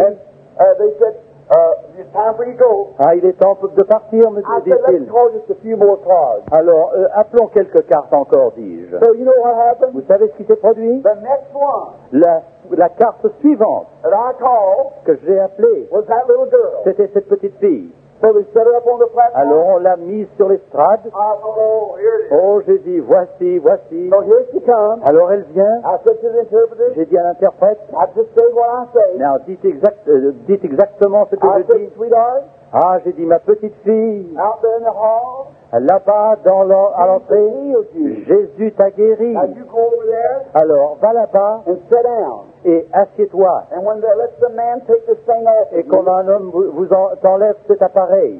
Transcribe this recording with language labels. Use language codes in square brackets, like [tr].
[en] And, they said, it's time for you to go. [fr] Ah, il est temps de partir, me dit-il. Alors, appelons quelques cartes encore, dis-je. [en] So you know what happened? [fr] Vous savez ce qui s'est produit? [en] The next one. [fr] La carte suivante [en] that I called, [fr] que j'ai appelée, [en] was that little girl. [fr] C'était cette petite fille. [en] So they set her up on the platform. [fr] Alors, on l'a mise sur l'estrade. Oh, j'ai dit, voici, voici. [en] So here she comes. [fr] Alors, elle vient. [en] I said to the interpreter, [fr] j'ai dit à l'interprète, [en] I just say what I say. [fr] Now, dites exactement ce que [en] I [fr] je [en] said, [fr] dis. [en] Sweetheart, [fr] ah, j'ai dit, ma petite fille, [en] out there in the hall, [fr] là-bas, dans à l'entrée, Jésus t'a guéri. [en] Now, you go over there, [fr] alors, va là-bas [en] and sit down. [fr] Et assieds-toi. [en] And when they let the man take this thing off, [fr] et quand un homme t'enlève cet appareil,